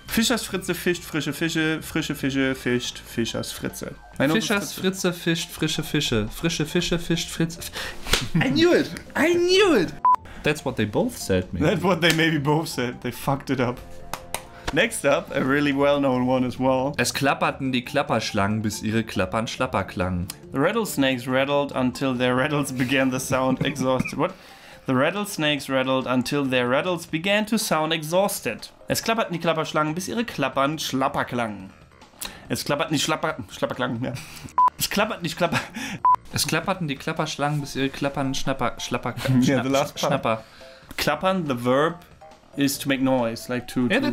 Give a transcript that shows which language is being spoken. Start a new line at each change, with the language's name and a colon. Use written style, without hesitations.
German: Fischers Fritze fischt frische Fische fischt Fischers Fritze. Fischers Fritze fischt frische Fische. Frische Fische fischt Fritz.
English: I knew it! I knew it! That's what they both said, maybe. That's what they maybe both said. They fucked it up. Next up, a really well-known one as well.
German: Es klapperten die Klapperschlangen, bis ihre Klappern schlapper klangen.
English: The rattlesnakes rattled until their rattles began to sound exhausted. What? The rattlesnakes rattled until their rattles began to sound exhausted.
German: Es klapperten die Klapperschlangen, bis ihre Klappern schlapper klangen. Es klapperten die Schlapper... Schlapperklangen, ja. Es klapperten die Klapper... Es klapperten die Klapperschlangen, bis ihre Klappern schnapper... Schlapper...
English: Yeah, the last part.
German: Schnapper.
English: Klappern, the verb, is to make noise, like to rattle